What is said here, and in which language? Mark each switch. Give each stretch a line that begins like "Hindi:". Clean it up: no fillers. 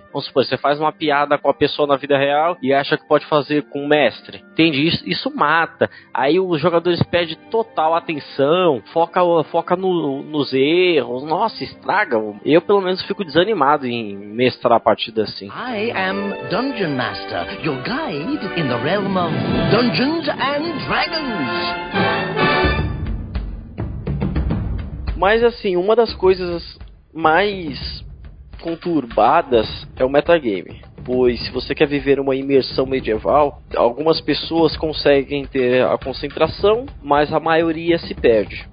Portuguese: Vamos supor, você faz uma piada com a pessoa na vida real e acha que pode fazer com o mestre. Entende? Isso mata. Aí os jogadores perdem total atenção, foca nos erros. Nossa, estraga. Eu, pelo menos, fico desanimado em mestrar a partida assim.
English: I am Dungeon Master, your guide in the realm of Dungeons and Dragons.
Portuguese: Mas assim, uma das coisas mais conturbadas é o metagame. Pois se você quer viver uma imersão medieval, algumas pessoas conseguem ter a concentração, mas a maioria se perde.